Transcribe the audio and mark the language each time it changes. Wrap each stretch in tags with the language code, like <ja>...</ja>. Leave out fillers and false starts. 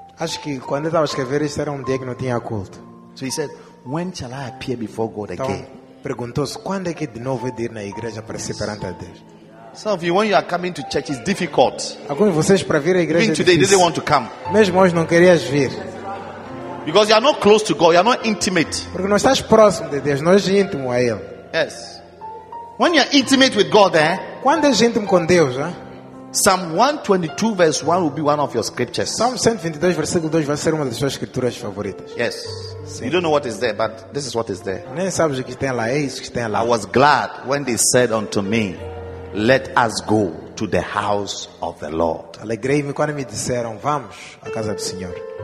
<pt>Acho que quando ele estava a escrever isso era um dia que não tinha culto.</pt> <en>So he said, "When shall I appear before God again?"</en> <pt>Então, perguntou-se quando é que de novo eu ir na igreja para ser perante a Deus.</pt> <en>Some of you, when you are coming to church, it's difficult.</en> <pt>Alguns de vocês para vir à igreja.</pt> <en>Even today, didn't want to come.</en> <pt>Mesmo hoje não querias vir.</pt> <en>Because you are not close to God, you are not intimate.</en> <pt>Porque não estás próximo de Deus, não és íntimo a Ele.</pt> <en>Yes. When you are intimate with God, eh?</en> <pt>Quando és íntimo com Deus, eh?</pt> <en>Psalm 122 verse 1 will be one of your scriptures.</en> <pt>Psalm 122 versículo 2 vai ser uma das suas escrituras favoritas.</pt> <en>Yes. Sim. You don't know what is there, but this is what is there.</en> <pt>Nem sabes o que tem lá, é isso que tem lá.</pt> <en>I was glad when they said unto me, "Let us go to the house of the Lord."</en> <pt>Alegrei-me quando me disseram, "Vamos à casa do Senhor."</pt>